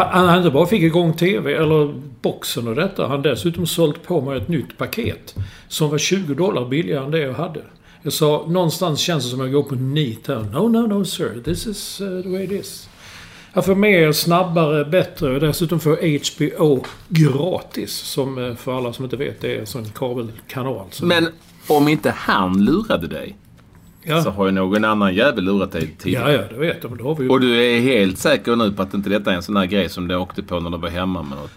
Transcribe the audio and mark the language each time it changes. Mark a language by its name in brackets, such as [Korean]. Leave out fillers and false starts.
[Swedish] Han inte bara fick igång tv eller boxen och detta, han dessutom sålt på mig ett nytt paket som var $20 billigare än det jag hade. Jag sa, någonstans känns det som att jag går på nit här. [English] No sir, this is the way it is. [Swedish] Jag får mer, snabbare, bättre och dessutom får HBO gratis, som för alla som inte vet, det är en sån kabelkanal. Så. Men om inte han lurade dig, ja, så har ju någon annan jävel lurat dig tidigare. Ja, det vet jag. Men det har vi ju. Och du är helt säker nu på att inte detta är en sån här grej som du åkte på när du var hemma med något?